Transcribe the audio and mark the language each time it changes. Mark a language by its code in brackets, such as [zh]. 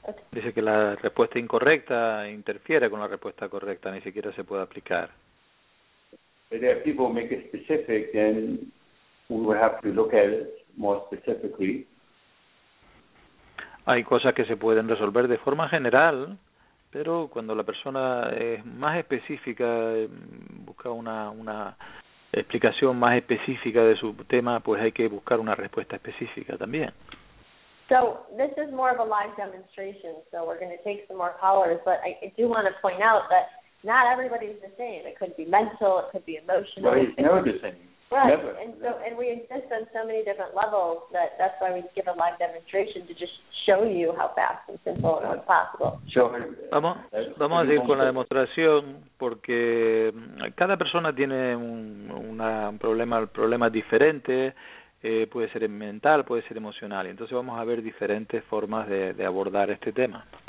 [es] Dice que la respuesta incorrecta interfiere con la respuesta correcta, ni siquiera se puede aplicar. [en] If people make it specific, then we will have to look at it more specifically. [es] Hay cosas que se pueden resolver de forma general, pero cuando la persona es más específica, busca una explicación más específica de su tema, pues hay que buscar una respuesta específica también. [en] So, this is more of a live demonstration, so we're going to take some more callers, but I do want to point out that not everybody is the same. It could be mental, it could be emotional. Right, it's never the same. Right, and we exist on so many different levels that's why we give a live demonstration to just show you how fast and simple and what's possible. [es] Vamos a seguir con la demostración, porque cada persona tiene un problema diferente, puede ser mental, puede ser emocional, entonces vamos a ver diferentes formas de abordar este tema.